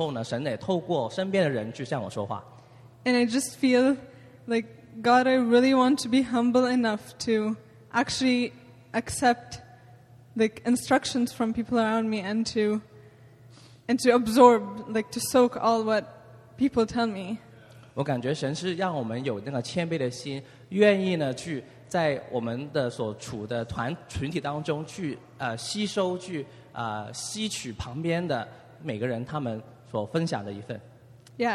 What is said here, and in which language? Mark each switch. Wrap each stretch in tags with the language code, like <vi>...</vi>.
<zh>所以有时候神的话，至于我好像没办法很直接的、很透明清楚的时候呢，神也透过身边的人去向我说话。</zh> <en>And I just feel like God, I really want to be humble enough to actually accept like instructions from people around me and to absorb like to soak all what people tell me.</en> <zh>我感觉神是让我们有那个谦卑的心，愿意呢去。在我们的所处的团群体当中去吸收去吸取旁边的每个人他们所分享的一份。</zh> <en>Yeah,</en>